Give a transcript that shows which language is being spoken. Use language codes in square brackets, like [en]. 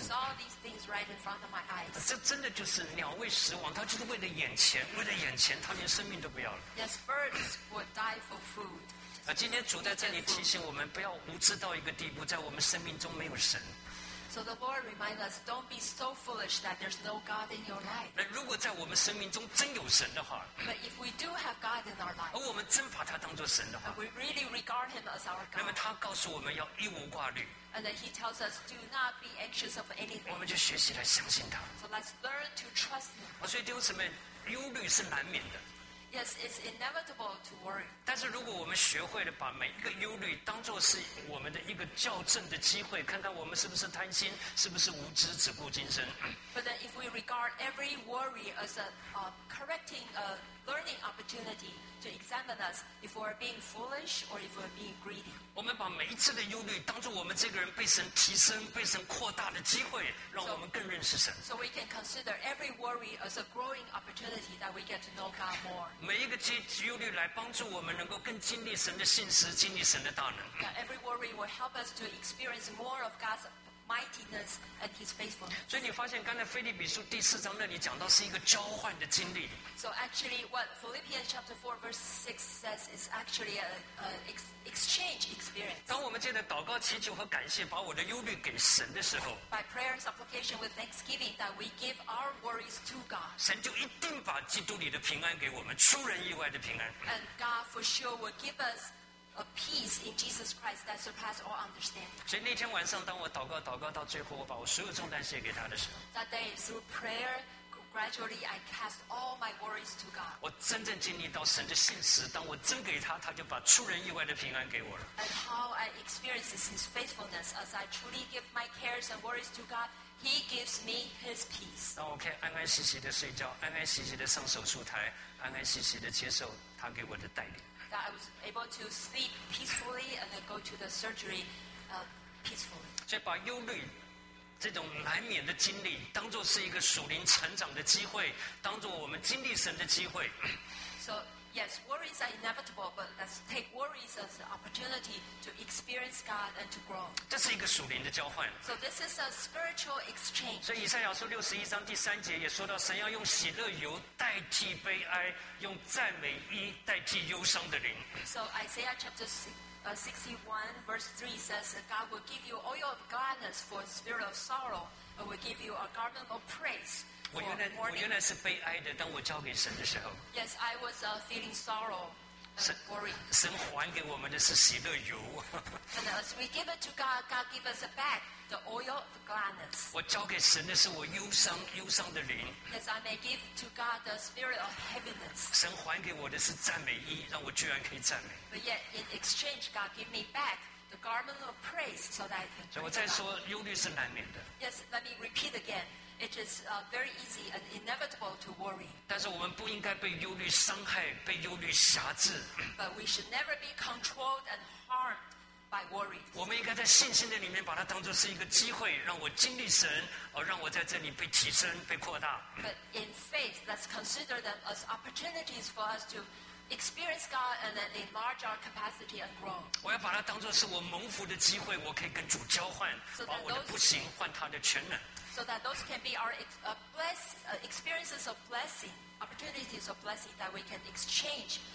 [en] I saw these things right in front of my eyes. [zh] 这真的就是鸟为食亡，它就是为了眼前，为了眼前，它连生命都不要了。 [en] Yes, birds would die for food. [zh] 今天主在这里提醒我们，不要无知到一个地步，在我们生命中没有神。 [en] So the Lord reminds us, don't be so foolish that there's no God in your life. [zh] 那如果在我们生命中真有神的话， [en] But if we do have God in our life, [zh] 而我们真把他当作神的话， [en] we really regard him as our God. [zh] 那么他告诉我们要一无挂虑。 [en] And then he tells us, do not be anxious of anything. [zh] 我们就学习来相信他。 [en] So let's learn to trust him. [zh] 所以弟兄姊妹，忧虑是难免的。 [en] Yes, it's inevitable to worry. [zh] 但是如果我们学会了把每一个忧虑当作是我们的一个校正的机会，看看我们是不是贪心，是不是无知，只顾今生。 [en] But then if we regard every worry as a correcting a learning opportunity to examine us, if we're being foolish or if we're being greedy. [zh] 我们把每一次的忧虑当作我们这个人被神提升，被神扩大的机会，让我们更认识神。 [en] So we can consider every worry as a growing opportunity that we get to know God more. [zh] 每一个忧虑来帮助我们能够更经历神的信实，经历神的大能。 [en] Every worry will help us to experience more of God's mightiness and His faithfulness. [zh] 所以你发现刚才腓立比书第四章那里讲到是一个交换的经历。 [en] So actually, what Philippians chapter 4 verse 6 says is actually an exchange experience. [zh] 当我们借着祷告、祈求和感谢，把我的忧虑给神的时候 [en] ，By prayer and supplication with thanksgiving that we give our worries to God, [zh] 神就一定把基督里的平安给我们，出人意外的平安。 [en] And God for sure will give us a peace in Jesus Christ that surpasses all understanding. [zh] 所以那天晚上，当我祷告、祷告到最后，我把我所有重担卸给他的时候 [en] ，That day through prayer. Gradually, I cast all my worries to God. [zh] 我真正经历到神的信实，当我真给他，他就把出人意外的平安给我了。 [en] And how I experience His faithfulness as I truly give my cares and worries to God, He gives me His peace. [zh] 那我可以安安息息的睡觉，安安息息的上手术台，安安息息的接受他给我的带领。 [en] That I was able to sleep peacefully and then go to the surgery, peacefully. [zh] 所以把忧虑。这种难免的经历当作是一个属灵成长的机会，当作我们经历神的机会。 [en] So yes, worries are inevitable, but let's take worries as an opportunity to experience God and to grow. [zh] 这是一个属灵的交换。 [en] So this is a spiritual exchange. [zh] 所以以赛亚书六十一章第三节也说到，神要用喜乐油代替悲哀，用赞美衣代替忧伤的灵。 [en] So Isaiah chapter 61 verse 3 says that God will give you oil of gladness for a spirit of sorrow and will give you a garment of praise for mourning. [zh] 我原来是悲哀的，当我交给神的时候。 [en] Yes, I was feeling sorrow and worry. [zh] 神还给我们的是喜乐油。 [en] And as we give it to God, God gives us back the oil of gladness. [zh] 我交给神的是我忧伤的灵。 [en] Yes, I may give to God the spirit of heaviness. [zh] 神还给我的是赞美衣，让我居然可以赞美。 [en] But yet, in exchange, God gave me back the garment of praise so that I can praise [zh] God. 我再说，忧虑是难免的。 [en] Yes, let me repeat again. It is very easy and inevitable to worry. [zh] 但是我们不应该被忧虑伤害，被忧虑辖制。 [en] But we should never be controlled and harmed. By worries. [zh] 我们应该在信心的里面把它当作是一个机会，让我经历神，而让我在这里被提升、被扩大。 [en] But in faith, let's consider them as opportunities for us to experience God and then enlarge our capacity and grow. [zh] 我要把它当作是我蒙福的机会，我可以跟主交换， [en] so、 [zh] 把我的不行换他的全能。 [en] So that those can be our experiences of blessing, opportunities of blessing that we can exchange.